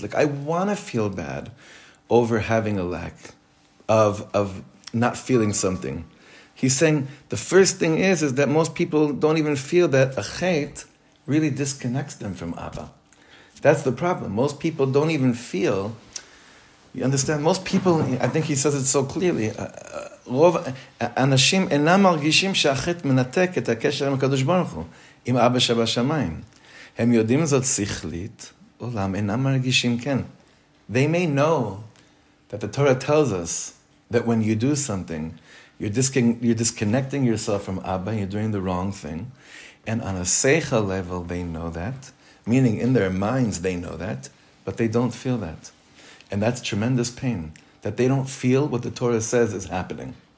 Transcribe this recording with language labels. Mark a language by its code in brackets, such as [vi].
[en] Like, I want to feel bad over having a lack of not feeling something. He's saying, the first thing is that most people don't even feel that a chet really disconnects them from Abba. That's the problem. Most people don't even feel... You understand? Most people, I think he says it so clearly, [he] רוב אנשים אינם מרגישים שהחטא מנתק את הקשר עם הקדוש ברוך הוא, עם אבא שבשמיים. הם יודעים זאת שכלית, אולם אינם מרגישים כן. [en] They may know that the Torah tells us that when you do something, you're disconnecting yourself from Abba, you're doing the wrong thing. And on a seichel level, they know that. Meaning in their minds, they know that. But they don't feel that. And that's tremendous pain. That they don't feel what the Torah says is happening.